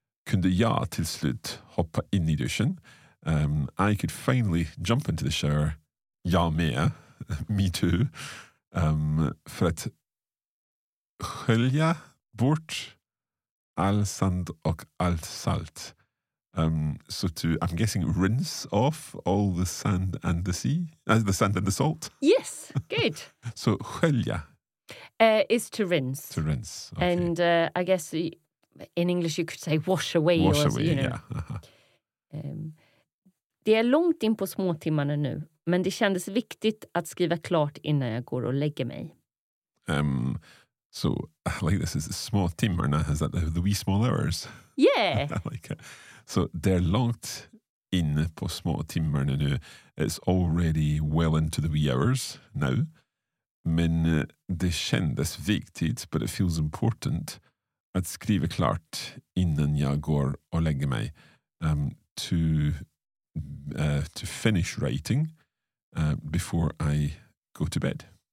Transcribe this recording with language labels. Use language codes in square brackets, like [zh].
[sv] kunde jag till slut hoppa in i duschen. [en] I could finally jump into the shower, [sv] jag med, [en] me too, [sv] för att skölja bort all sand och allt salt. [en] I'm guessing rinse off all the sand and the sea, the sand and the salt? Yes, good. So skölja. Is to rinse. To rinse, okay. And I guess in English you could say wash away. Wash or, away, you know. Yeah. [sv] Det är långt in på småtimmarna nu, men det kändes viktigt att skriva klart innan jag går och lägger mig. [en] So, I like this, is the small timmarna, is that the wee small hours? Yeah! I like it. [sv] So, det är långt in på småtimmarna nu. [en] It's already well into the wee hours now. [sv] Men det kändes viktigt, [en] but it feels important, [sv] att skriva klart innan jag går och lägger mig. [en] To finish writing before I go to bed.